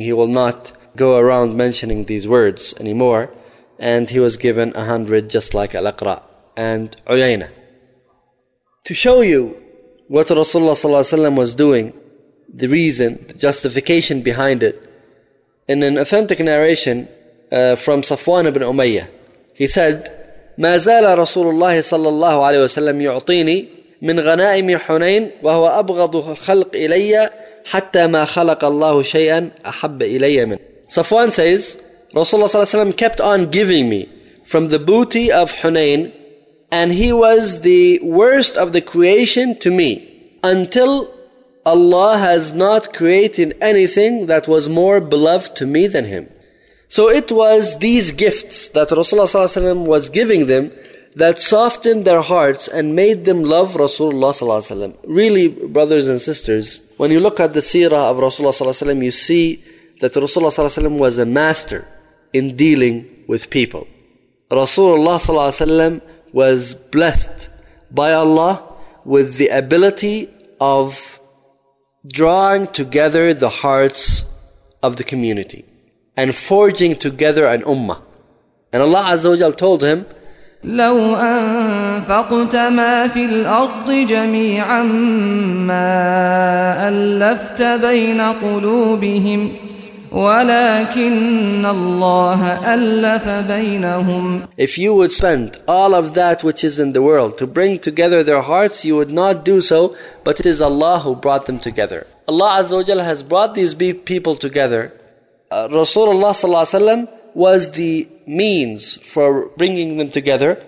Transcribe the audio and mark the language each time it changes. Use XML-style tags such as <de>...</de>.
<en>He will not go around mentioning these words anymore. And he was given 100, just like Al-Aqra and Uyayna. To show you what Rasulullah sallallahu alaihi wasallam was doing, the reason, the justification behind it, in an authentic narration, from Safwan ibn Umayyah. He said,</en> <ar>ما زال رسول الله صلى الله عليه وسلم يعطيني من غنائم حنين وهو أبغض خلق إلي حتى ما خلق الله شيئا أحب إلي من.</ar> <en>Safwan says, Rasulullah صلى الله عليه وسلم kept on giving me from the booty of Hunayn, and he was the worst of the creation to me until Allah has not created anything that was more beloved to me than him. So it was these gifts that Rasulullah صلى الله عليه وسلم was giving them that softened their hearts and made them love Rasulullah صلى الله عليه وسلم. Really, brothers and sisters, when you look at the seerah of Rasulullah صلى الله عليه وسلم, you see that Rasulullah صلى الله عليه وسلم was a master in dealing with people. Rasulullah صلى الله عليه وسلم was blessed by Allah with the ability of drawing together the hearts of the community and forging together an ummah. And Allah Azza wa Jal told him,</en> <ar>لو أنفقت ما في الأرض جميعا ما ألفت بين قلوبهم وَلَكِنَّ اللَّهَ أَلَّفَ بَيْنَهُمْ.</ar> <en>If you would spend all of that which is in the world to bring together their hearts, you would not do so, but it is Allah who brought them together. Allah Azza wa Jalla has brought these people together. Rasulullah Sallallahu Alaihi Wasallam was the means for bringing them together.</en>